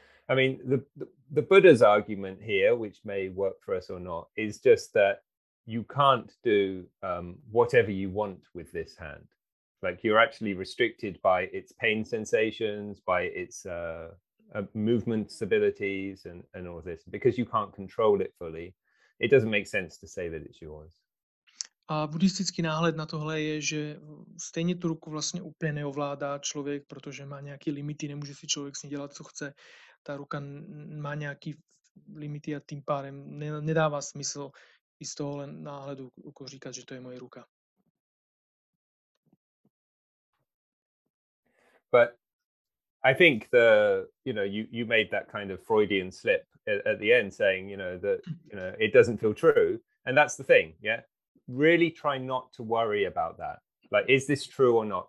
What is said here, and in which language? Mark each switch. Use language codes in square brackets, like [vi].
[en] I mean, the Buddha's argument here, which may work for us or not, is just that you can't do whatever you want with this hand. Like, you're actually restricted by its pain sensations, by its movements, abilities, and all this. Because you can't control it fully, it doesn't make sense to say that it's yours. [cs] A buddhistický náhled na tohle je, že stejně tu ruku vlastně úplně neovládá člověk, protože má nějaké limity, nemůže si člověk s ní dělat, co chce. Ta ruka má nějaký limity a tím pádem nedává smysl i z tohohle náhledu říkat, že to je moje ruka. [en] But I think the, you know, you made that kind of Freudian slip at the end saying, you know, that, you know, it doesn't feel true. And that's the thing, yeah? Really try not to worry about that. Like, is this true or not?